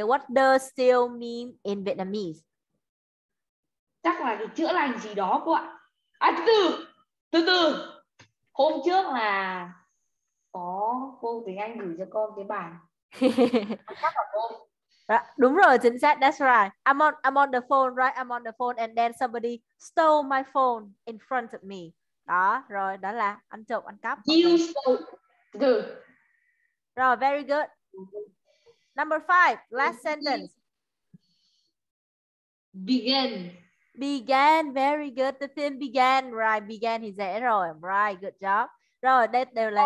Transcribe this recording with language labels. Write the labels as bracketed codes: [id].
[en] What does steal mean in Vietnamese? [vi] Chắc là cái chữa lành gì đó của ạ. À, từ từ. Hôm trước là có cô tiếng Anh gửi cho con cái bài. Đúng rồi, chính xác, [en] that's right. I'm on the phone, right? I'm on the phone and then somebody stole my phone in front of me. [vi] Đó, rồi, đó là ăn trộm, ăn cắp. [en] You stole. Good. Rồi, very good. Number five, last sentence. Begin. Began, very good. The film began, right? Began [vi] thì dễ rồi, [en] right? Good job. [vi] Rồi, đây đều là.